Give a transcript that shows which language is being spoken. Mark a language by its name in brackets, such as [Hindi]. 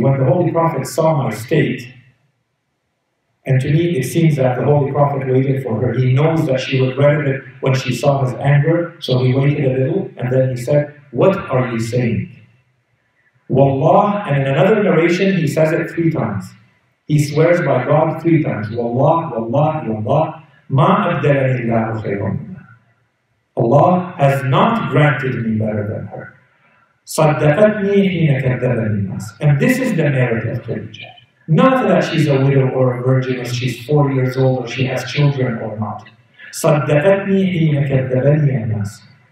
[English] When the Holy Prophet saw my state, and to me it seems that the Holy Prophet waited for her. He knows that she regretted it when she saw his anger, so he waited a little, and then he said, what are you saying? [Arabic] وَاللَّهِ, [English] and in another narration he says it three times. He swears by God three times. [Arabic] وَاللَّهِ, وَاللَّهِ, وَاللَّهِ. ما أبدلني الله خيرا منها. [English] Allah has not granted me better than her. [Arabic] صدقتني حين كذبني الناس. [English] And this is the merit of Khadija. Not that she's a widow or a virgin, or she's 4 years old, or she has children or not. [Arabic] صدقتني حين كذبني الناس.